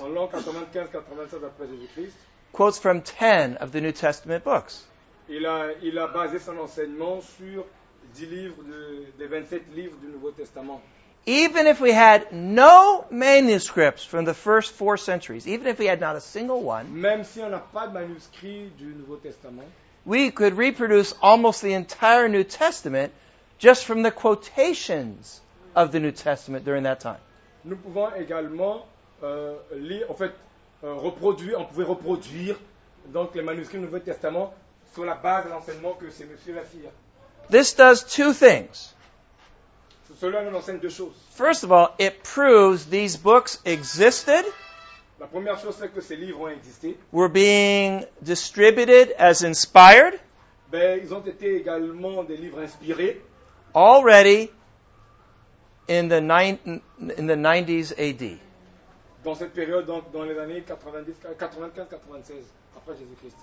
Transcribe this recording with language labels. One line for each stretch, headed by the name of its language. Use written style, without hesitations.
French: en l'an 95-96 après Jésus-Christ,
English: quotes from 10 of the New Testament books.
French: Il a basé son enseignement sur 10 livres des 27 livres du Nouveau Testament.
English: Even if we had no manuscripts from the first four centuries, even if we had not a single one,
French: même si on n'a pas de manuscrit du Nouveau Testament,
English: we could reproduce almost the entire New Testament just from the quotations of the New Testament during that time.
French: Nous pouvons également lire, en fait, reproduire, on pouvait reproduire donc les manuscrits du Nouveau Testament sur la base de l'enseignement que ces messieurs firent.
English: This does two things.
French: Cela nous enseigne deux choses.
English: First of all, it proves these books existed.
French: La première chose, c'est que ces livres ont existé.
English: Were being distributed as inspired.
French: Ben, ils ont été également des livres inspirés.
English: Already in the 90s AD.
French: Dans cette période, donc, dans les années 95-96, après Jésus-Christ.